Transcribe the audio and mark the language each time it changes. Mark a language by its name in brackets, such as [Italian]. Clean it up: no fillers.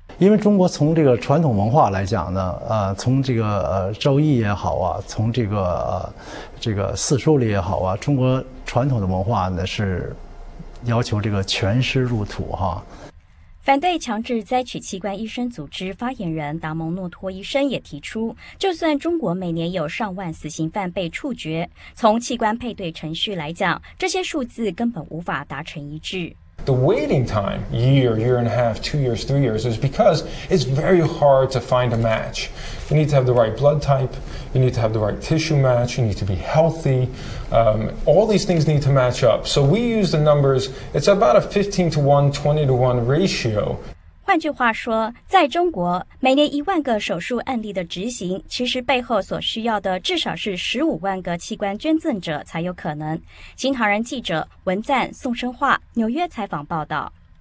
[Chinese] 因为中国从这个传统文化来讲呢，从这个周易也好啊，从这个四书里也好啊，中国传统的文化呢是要求这个全尸入土哈。反对强制摘取器官医生组织发言人达蒙诺托医生也提出，就算中国每年有上万死刑犯被处决，从器官配对程序来讲，这些数字根本无法达成一致。 [English] The waiting time, year, year and a half, 2 years, 3 years, is because it's very hard to find a match. You need to have the right blood type, you need to have the right tissue match, you need to be healthy. All these things need to match up. So we use the numbers, it's about a 15 to 1, 20 to 1 ratio. [Chinese] 换句话说，在中国，每年10000个手术案例的执行，其实背后所需要的至少是150000个器官捐赠者才有可能。新唐人记者文赞、宋生化，纽约采访报道。